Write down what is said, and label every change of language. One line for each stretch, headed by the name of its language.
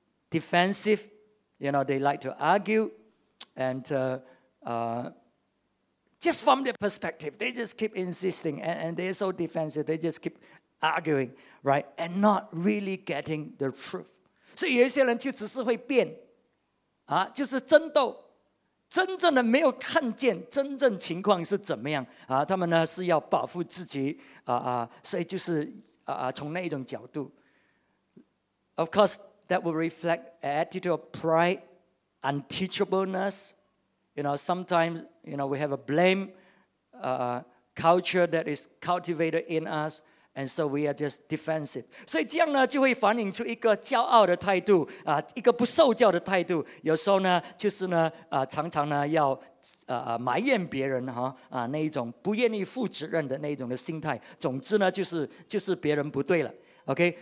English: Defensive, you know, they like to argue and just from their perspective, they just keep insisting and they're so defensive, they just keep arguing, right? And not really getting the truth.
Chinese: 所以有些人就只是会辩，就是争斗，真正的没有看见真正情况是怎么样，他们呢是要保护自己，所以就是从那一种角度。
English: Of course, that will reflect an attitude of pride, unteachableness, You know, sometimes, you know, we have a blame culture that is cultivated in us, and so we are just defensive.
Chinese: 所以这样呢，就会反映出一个骄傲的态度，一个不受教的态度。有时候呢，就是呢，常常呢要埋怨别人哈，那一种不愿意负责任的那种的心态。总之呢，就是别人不对了。Okay,